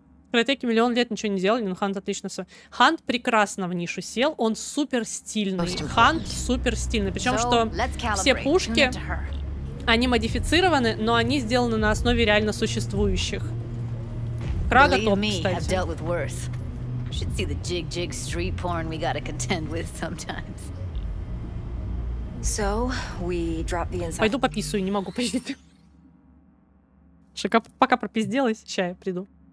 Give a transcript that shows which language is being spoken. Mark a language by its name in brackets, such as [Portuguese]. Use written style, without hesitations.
[Russian] Кротеки миллион лет ничего не делали, но Хант отлично все. Хант прекрасно в нишу сел, он супер стильный. Хант супер стильный. Причем, что все пушки, они модифицированы, но они сделаны на основе реально существующих. Крага топ, кстати. [English] You should see the jig-jig street porn we gotta contend with sometimes. So, we drop the inside... [Russian] Пойду пописываю, не могу пиздить. Шика, пока пропизделась, ща я приду.